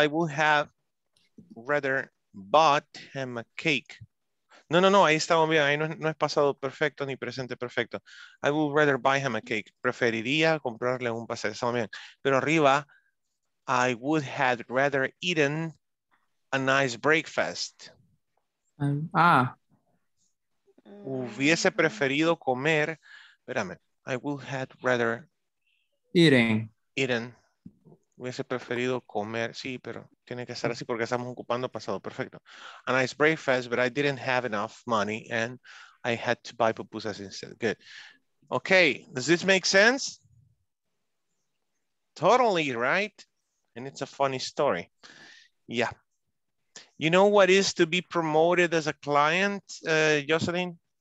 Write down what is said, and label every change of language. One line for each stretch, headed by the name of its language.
English: I would have rather bought him a cake.
Spanish: No, ahí estamos bien. Ahí no es pasado perfecto ni presente perfecto.
English: I would rather buy him a cake.
Spanish: Preferiría comprarle un pastel. Estamos bien. Pero arriba,
English: I would have rather eaten a nice breakfast.
Spanish: Hubiese preferido comer. Espérame.
English: I would have rather eaten.
Spanish: Hubiese preferido comer, sí, pero tiene que ser así porque estamos ocupando pasado perfecto.
English: A nice breakfast, but I didn't have enough money and I had to buy pupusas instead. Good. Okay, does this make sense? Totally, right? And it's a funny story. Yeah. You know what is to be promoted as a client, Jocelyn?